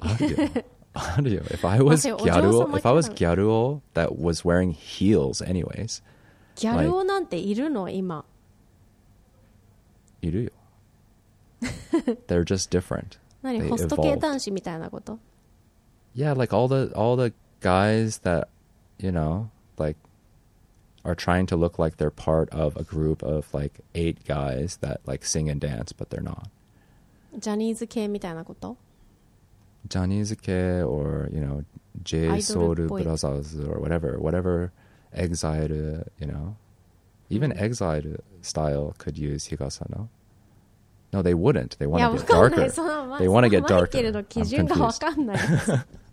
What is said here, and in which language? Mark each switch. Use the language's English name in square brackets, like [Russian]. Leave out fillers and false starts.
[Japanese] あるよ。 [English] If I was Gyaruo, if I was Gyaruo that was wearing heels anyways. [Japanese] Gyaruo なんているの今。いるよ。 [English] They're just different. [Japanese] 何ホスト系男子みたいなこと？ [English] Yeah, like all the guys that, you know, like are trying to look like they're part of a group of like 8 guys that like sing and dance, but they're not. [Japanese] ジャニーズ系みたいなこと？ [English] ジャニーズ系 or, you know, J-Soul Brothers or whatever EXILE, you know. Even EXILE style could use higasa, no? No, they wouldn't. They want to get darker. They want to get darker. I'm confused.